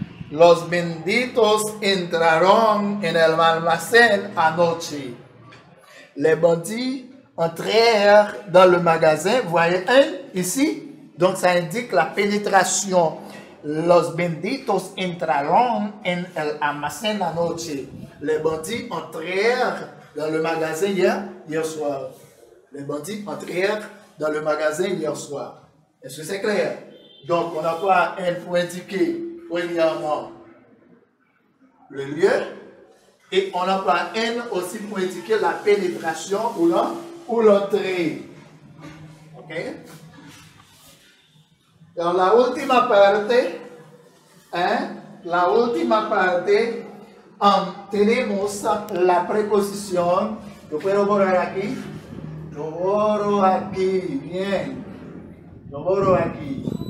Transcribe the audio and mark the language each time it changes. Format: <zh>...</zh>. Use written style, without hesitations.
<es>Los benditos entraron en el almacén anoche.</es> <fr>Les bandits entrèrent dans le magasin. Voyez un ici. Donc ça indique la pénétration.</fr> <es>Los benditos entraron en el almacén anoche.</es> <fr>Les bandits entrèrent dans le magasin hier soir. Les bandits entrèrent dans le magasin hier soir. Est-ce que c'est clair? Donc, on a quoi un pour indiquer, premièrement, le lieu. Et on a quoi un aussi pour indiquer la pénétration ou l'entrée. OK?</fr> <es>Dans la última parte, hein, la última parte, tenemos la preposición. Yo puedo borrar aquí. Yo borro aquí, bien. Yo borro aquí.</es>